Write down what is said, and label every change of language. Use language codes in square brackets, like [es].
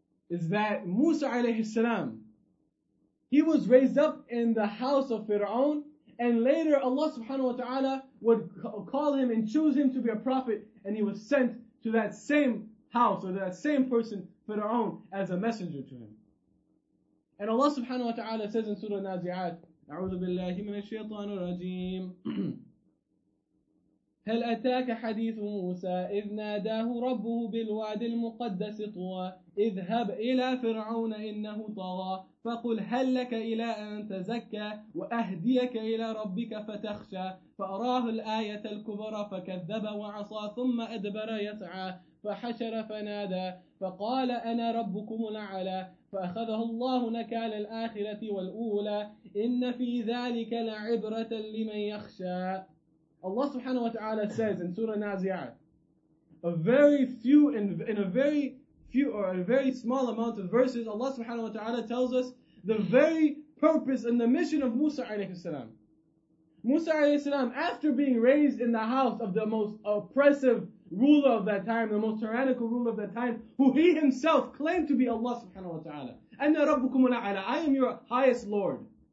[en] Is that Musa alayhi salam, he was raised up in the house of Fir'aun, and later Allah subhanahu wa ta'ala would call him and choose him to be a prophet, and he was sent to that same house, or that same person, Fir'aun, as a messenger to him. And Allah subhanahu wa ta'ala says in Surah Nazi'at, [ar] أعوذ بالله من الشيطان الرجيم. هل أتاك حديث موسى إذ ناداه ربه بالوادي المقدس طوى اذهب إلى فرعون إنه طغى فقل هل لك إلى أن تزكى وأهديك إلى ربك فتخشى فأراه الآية الكبرى فكذب وعصى ثم أدبر يسعى فحشر فنادى فقال أنا ربكم الأعلى فأخذه الله نكال الآخرة والأولى إن في ذلك لعبرة لمن يخشى. [en] Allah subhanahu wa ta'ala says in Surah Nazi'at, in a very small amount of verses, Allah subhanahu wa ta'ala tells us the very purpose and the mission of Musa alayhi salam. Musa alayhi salam, after being raised in the house of the most oppressive ruler of that time, the most tyrannical ruler of that time, who he himself claimed to be Allah subhanahu wa ta'ala, [ar] أَنَّ رَبُّكُمُ الْعَلَىٰ, [en] I am your highest Lord.